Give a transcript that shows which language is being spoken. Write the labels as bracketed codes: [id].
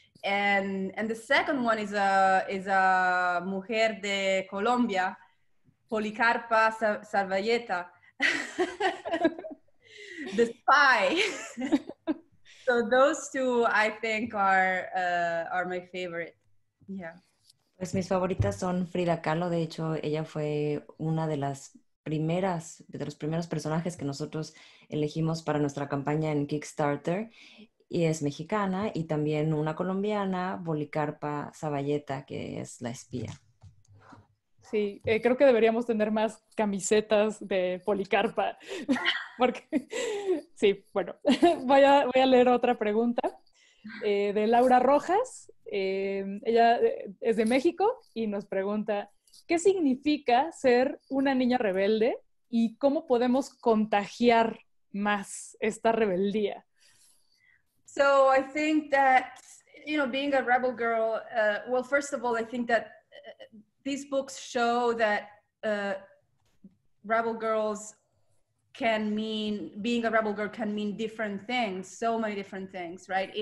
[en] And the second one is a [es] mujer de Colombia, [en] Policarpa Sarvalleta. The spy. So those two, I think, are my favorite. Yeah. [es] Pues mis favoritas son Frida Kahlo. De hecho, ella fue una de las primeras, de los primeros personajes que nosotros elegimos para nuestra campaña en Kickstarter. Y es mexicana y también una colombiana, Policarpa Sarvalleta, que es la espía. Sí, creo que deberíamos tener más camisetas de Policarpa, porque, sí, bueno, voy a leer otra pregunta de Laura Rojas. Ella es de México y nos pregunta, ¿qué significa ser una niña rebelde y cómo podemos contagiar más esta rebeldía? [en] So I think that, you know, being a rebel girl, well, first of all, I think that these books show that rebel girls can mean, being a rebel girl can mean different things, so many different things, right?